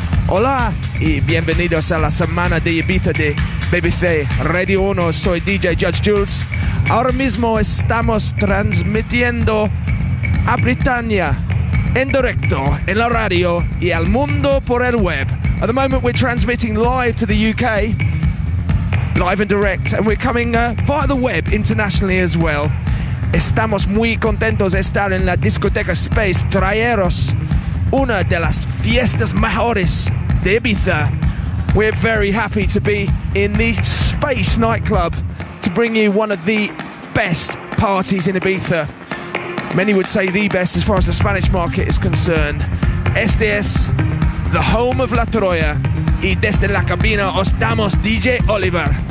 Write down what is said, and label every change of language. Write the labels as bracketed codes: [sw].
[es] Hola y bienvenidos a la semana de Ibiza de BBC Radio 1. Soy DJ Judge Jules. Ahora mismo estamos transmitiendo a Britannia en directo en la radio y al mundo por el web. [en] At the moment, we're transmitting live to the UK, live and direct, and we're coming via the web internationally as well. [es] Estamos muy contentos de estar en la discoteca Space, traeros una de las fiestas mejores de Ibiza. [en] We're very happy to be in the Space nightclub to bring you one of the best parties in Ibiza. Many would say the best as far as the Spanish market is concerned. [es] Este es [en] the home of La Troya, [es] y desde la cabina os damos [en] DJ Oliver.